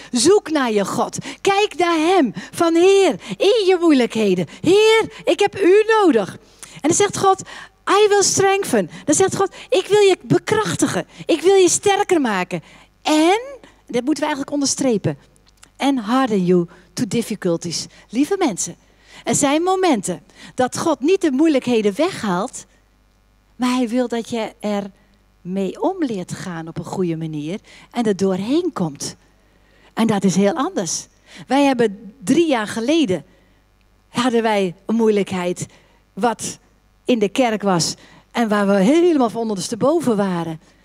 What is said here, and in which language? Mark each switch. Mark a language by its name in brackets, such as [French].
[Dutch] Zoek naar je God. Kijk naar hem. Van Heer, in je moeilijkheden. Heer, ik heb u nodig. En dan zegt God, [English] I will strengthen. [Dutch] Dan zegt God, ik wil je bekrachtigen. Ik wil je sterker maken. En dat moeten we eigenlijk onderstrepen. [English] And harden you to difficulties. [Dutch] Lieve mensen, er zijn momenten dat God niet de moeilijkheden weghaalt, maar hij wil dat je er mee om leert gaan op een goede manier en er doorheen komt. En dat is heel anders. Wij hebben 3 jaar geleden hadden wij een moeilijkheid wat in de kerk was en waar we helemaal van ondersteboven waren.